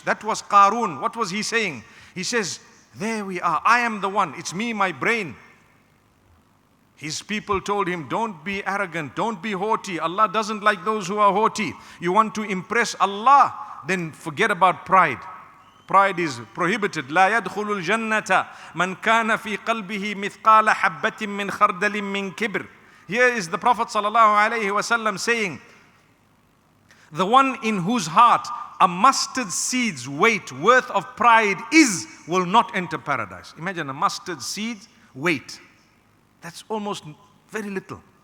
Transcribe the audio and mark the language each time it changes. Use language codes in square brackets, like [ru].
[en] That was Qarun. What was he saying? He says, there we are. I am the one. It's me, my brain. His people told him, don't be arrogant, don't be haughty. Allah doesn't like those who are haughty. You want to impress Allah, then forget about pride. Pride is prohibited. [ar] لا يدخل الجنة من كان في قلبه مثقال حبة من خردل من كبر. [en] Here is the Prophet sallallahu alayhi wa sallam saying, the one in whose heart a mustard seed's weight worth of pride is, will not enter paradise. Imagine a mustard seed's weight. That's almost very little.